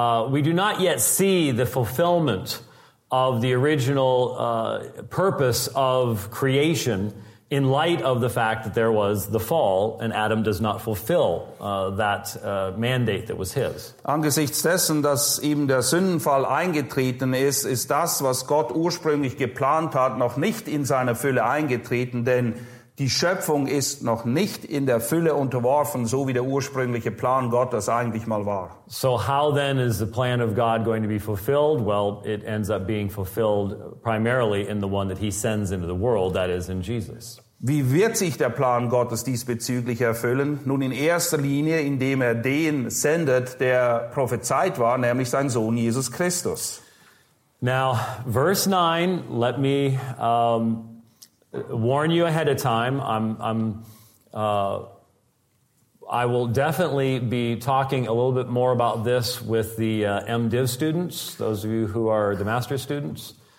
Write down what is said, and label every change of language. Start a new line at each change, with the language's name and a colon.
English: We do not yet see the fulfillment of the original purpose of creation in light of the fact that there was the fall and Adam does not fulfill that mandate that was his.
German: Angesichts dessen, dass eben der Sündenfall eingetreten ist, ist das, was Gott ursprünglich geplant hat, noch nicht in seiner Fülle eingetreten, denn die Schöpfung ist noch nicht in der Fülle unterworfen, so wie der ursprüngliche Plan Gottes eigentlich mal war.
English: So how then is the plan of God going to be fulfilled? Well, it ends up being fulfilled primarily in the one that he sends into the world, that is in Jesus.
German: Wie wird sich der Plan Gottes diesbezüglich erfüllen? Nun in erster Linie, indem er den sendet, der prophezeit war, nämlich sein Sohn Jesus Christus.
English: Now, verse 9, let me warn you ahead of time. I will definitely be talking a little bit more about this with the MDiv students, those of you who are the master's students.